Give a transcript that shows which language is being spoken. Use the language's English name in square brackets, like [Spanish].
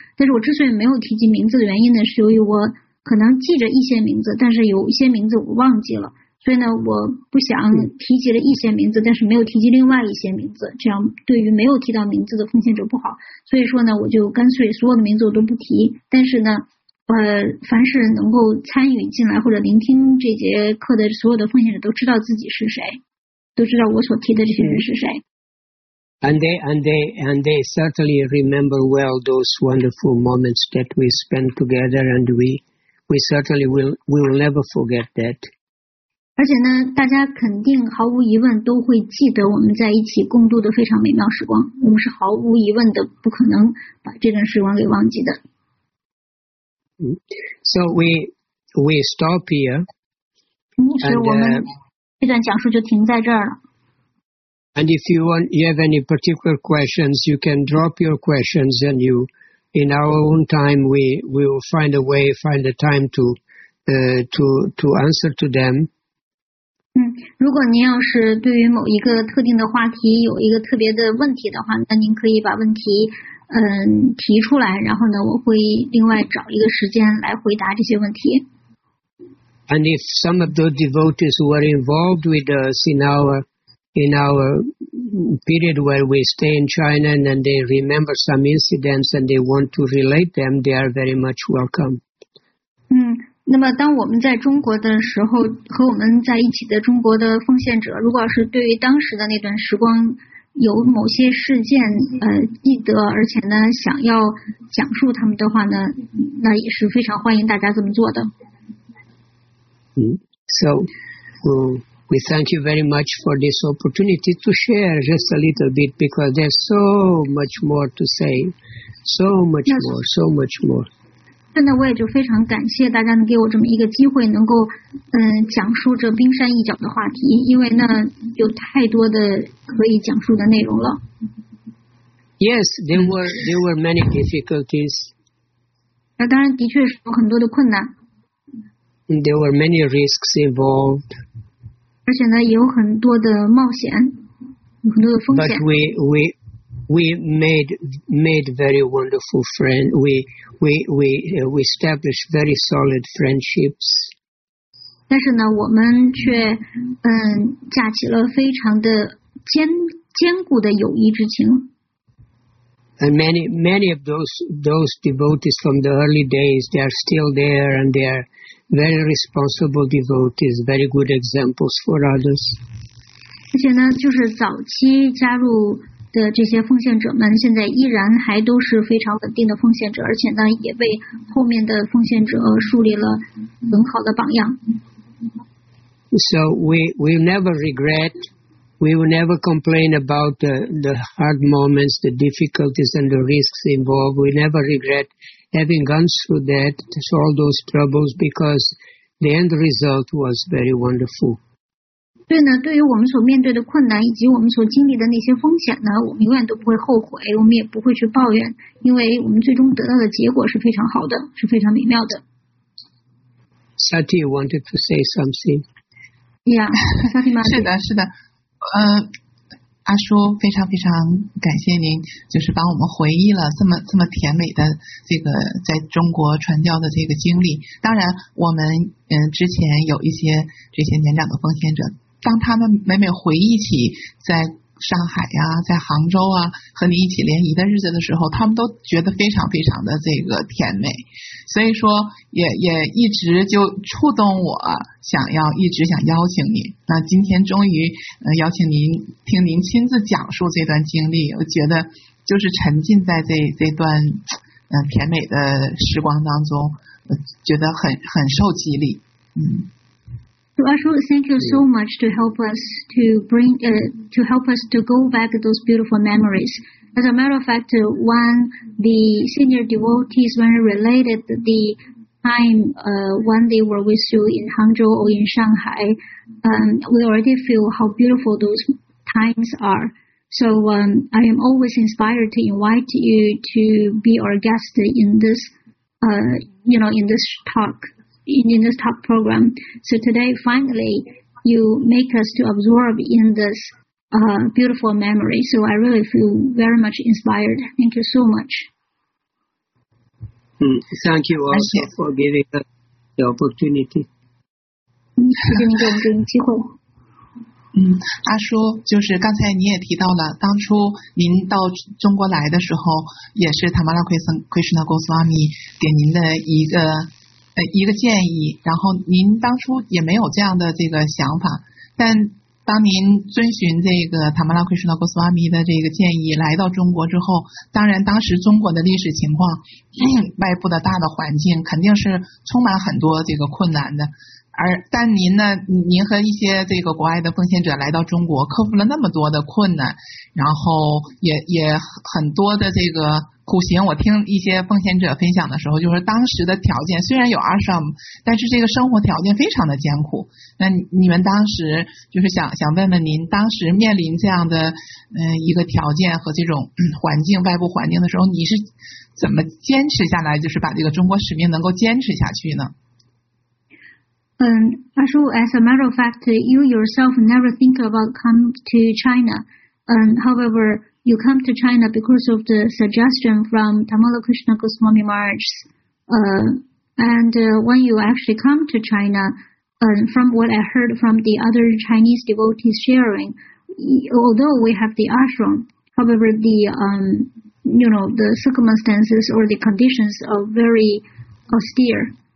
[Chinese] 但是我之所以没有提及名字的原因呢，是由于我可能记着一些名字，但是有一些名字我忘记了，所以呢我不想提及了一些名字，但是没有提及另外一些名字，这样对于没有提到名字的奉献者不好。所以说呢，我就干脆所有的名字我都不提，但是呢凡是能够参与进来或者聆听这节课的所有的奉献者都知道自己是谁，都知道我所提的这些人是谁。 [English] And they certainly remember well those wonderful moments that we spent together, and we certainly will never forget that. [Chinese] 而且呢，大家肯定毫无疑问都会记得我们在一起共度的非常美妙时光，我们是毫无疑问的不可能把这段时光给忘记的。 [English] So we stop here. [Chinese] 我们这段讲述就停在这儿了。 [English] And if you have any particular questions, you can drop your questions, and you, in our own time, we will find a time to answer to them. [Chinese] 如果您要是对于某一个特定的话题有一个特别的问题的话，那您可以把问题提出来，然后呢，我会另外找一个时间来回答这些问题。 [English] And if some of the devotees were involved with us in our period where we stay in China, and then they remember some incidents and they want to relate them, they are very much welcome. [Chinese] 那么当我们在中国的时候，和我们在一起的中国的奉献者，如果是对于当时的那段时光有某些事件记得，而且呢想要讲述他们的话呢，那也是非常欢迎大家这么做的。 [English] So, we thank you very much for this opportunity to share just a little bit, because there's so much more to say, so much more, so much more. [Chinese] 现在我也就非常感谢大家能给我这么一个机会，能够讲述这冰山一角的话题，因为那有太多的可以讲述的内容了。 [English] Yes, there were many difficulties. [Chinese] 那当然的确是有很多的困难。 [English] There were many risks involved. [Chinese] 而且呢，也有很多的冒险，有很多的风险。 [English] But we made very wonderful friends. We established very solid friendships. [Chinese] 但是呢，我们却架起了非常的坚固的友谊之情。 [English] And many of those devotees from the early days, they are still there, and they are very responsible devotees, very good examples for others. [Chinese] 而且呢，就是早期加入的这些奉献者们，现在依然还都是非常稳定的奉献者，而且呢，也为后面的奉献者树立了很好的榜样。 [English] So we never regret. We will never complain about the hard moments, the difficulties and the risks involved. We never regret having gone through that, all those troubles, because the end result was very wonderful. [Chinese] 对呢，对于我们所面对的困难以及我们所经历的那些风险呢，我们永远都不会后悔，我们也不会去抱怨，因为我们最终得到的结果是非常好的，是非常美妙的。 [English] Sati wanted to say something. Yeah, Sati. [Chinese] 是的，是的。阿叔非常非常感谢您，就是帮我们回忆了这么甜美的这个在中国传教的这个经历。当然我们之前有一些这些年长的奉献者，当他们每每回忆起在上海啊，在杭州啊，和你一起联谊的日子的时候，他们都觉得非常非常的这个甜美，所以说也一直就触动我，想邀请您。那今天终于邀请您，听您亲自讲述这段经历，我觉得就是沉浸在这段甜美的时光当中，我觉得很受激励。嗯。 [English] So Ashu, thank you so much to help us to go back to those beautiful memories. As a matter of fact, when the senior devotees when related the time when they were with you in Hangzhou or in Shanghai, we already feel how beautiful those times are. So I am always inspired to invite you to be our guest in this, in this talk. In this talk program. So today, finally, you make us to absorb in this beautiful memory. So I really feel very much inspired. Thank you so much. Thank you also for giving us the opportunity. [Chinese] 谢谢您给我们这个机会。阿叔，就是刚才你也提到了，当初您到中国来的时候，也是塔玛拉奎森奎什纳贡斯瓦米给您的一个建议，然后您当初也没有这样的这个想法，但当您遵循这个塔玛拉奎什纳贡斯瓦米的这个建议来到中国之后，当然当时中国的历史情况，外部的大的环境肯定是充满很多这个困难的，但您呢，您和一些这个国外的奉献者来到中国，克服了那么多的困难，然后也很多的这个苦行，我听一些奉献者分享的时候，就是当时的条件虽然有 ashram， 但是这个生活条件非常的艰苦。那你们当时就是想问问您，当时面临这样的一个条件和这种环境，外部环境的时候，你是怎么坚持下来，就是把这个中国使命能够坚持下去呢？ [English] Ashu, as a matter of fact, you yourself never think about come to China. However, you come to China because of the suggestion from Tamala Krishna Goswami Maharaj. When you actually come to China, from what I heard from the other Chinese devotees sharing, although we have the ashram, however, the circumstances or the conditions are very austere.